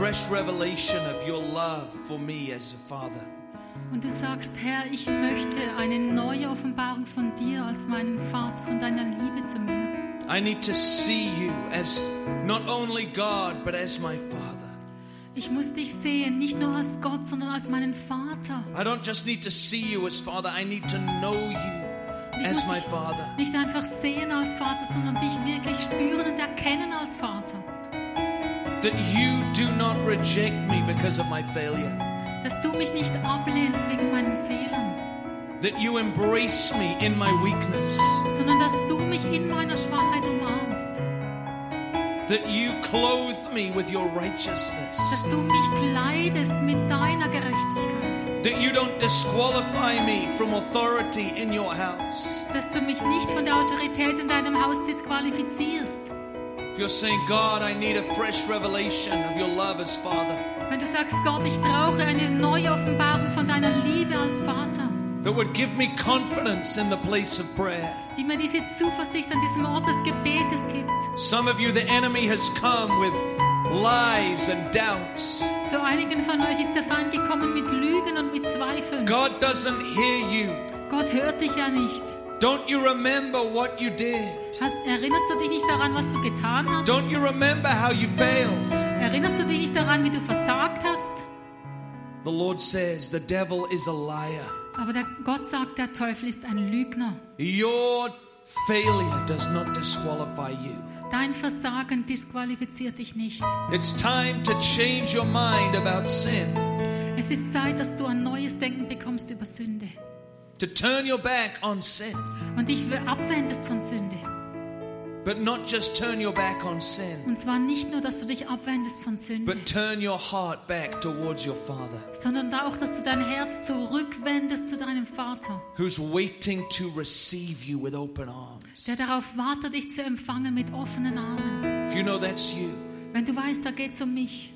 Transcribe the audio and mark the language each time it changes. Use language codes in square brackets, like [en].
[en] Revelation of your love for me as a father. [de] Und du sagst, Herr, ich möchte eine neue Offenbarung von dir als meinen Vater, von deiner Liebe zu mir. [en] I need to see you as not only God, but as my Father. [de] Ich muss dich sehen, nicht nur als Gott, sondern als meinen Vater. [en] I don't just need to see you as Father, I need to know you as my Father. [de] Nicht einfach sehen als Vater, sondern dich wirklich spüren und erkennen als Vater. [en] That you do not reject me because of my failure. [de] Dass du mich nicht ablehnst wegen meinen Fehlern. [en] That you embrace me in my weakness. [de] Sondern dass du mich in meiner Schwachheit umarmst. [en] That you clothe me with your righteousness. [de] Dass du mich kleidest mit deiner Gerechtigkeit. [en] That you don't disqualify me from authority in your house. [de] Dass du mich nicht von der Autorität in deinem Haus disqualifizierst. [en] If you're saying, God, I need a fresh revelation of your love as Father. [de] Wenn du sagst, Gott, ich brauche eine neue Offenbarung von deiner Liebe als Vater. [en] That would give me confidence in the place of prayer. [de] Die mir diese Zuversicht an diesem Ort des Gebetes gibt. [en] Some of you, the enemy has come with lies and doubts. [de] Zu einigen von euch ist der Feind gekommen mit Lügen und mit Zweifeln. [en] God doesn't hear you. [de] Gott hört dich ja nicht. [en] Don't you remember what you did? [de] Erinnerst du dich nicht daran, was du getan hast? [en] Don't you remember how you failed? [de] Erinnerst du dich nicht daran, wie du versagt hast? [en] The Lord says the devil is a liar. [de] Aber der Gott sagt, der Teufel ist ein Lügner. [en] Your failure does not disqualify you. [de] Dein Versagen disqualifiziert dich nicht. [en] It's time to change your mind about sin. [de] Es ist Zeit, dass du ein neues Denken bekommst über Sünde. [en] To turn your back on sin. [de] Und dich abwendest von Sünde. [en] But not just turn your back on sin. [de] Und zwar nicht nur, dass du dich abwendest von Sünde. [en] But turn your heart back towards your Father. [de] Sondern auch, dass du dein Herz zurückwendest zu deinem Vater. [en] Who's waiting to receive you with open arms. [de] Der darauf wartet, dich zu empfangen mit offenen Armen. [en] If you know that's you. [de] Wenn du weißt, da geht's um mich.